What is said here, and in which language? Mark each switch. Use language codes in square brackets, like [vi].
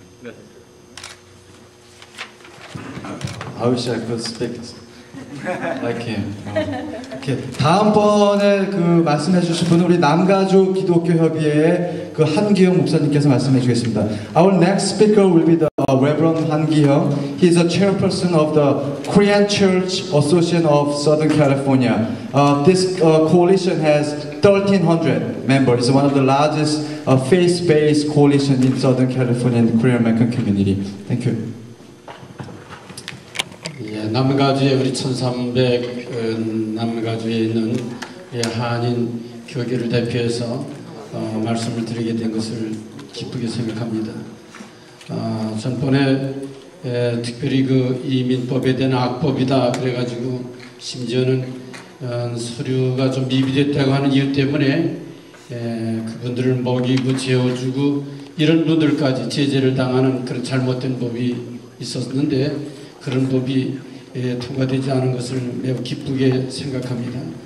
[es] Gracias. [en] I wish I could speak like him. Okay. [ko] 다음번에 그 말씀해 주실 분은 우리 남가족 기독교 협의회의 그 한기영 목사님께서 말씀해 주겠습니다. [en] Our next speaker will be the Reverend 한기영. He is a chairperson of the Korean Church Association of Southern California. This coalition has 1,300 members. It's one of the largest faith-based coalition in Southern California and the Korean American community. Thank you. [ko] 남가주에 우리 1300 남가주에 있는 한인 교계를 대표해서 말씀을 드리게 된 것을 기쁘게 생각합니다. 전번에 특별히 그 이민법에 대한 악법이다 그래가지고 심지어는 서류가 좀 미비됐다고 하는 이유 때문에 그분들을 먹이고 재워주고 이런 분들까지 제재를 당하는 그런 잘못된 법이 있었는데 그런 법이 통과되지 않은 것을 매우 기쁘게 생각합니다.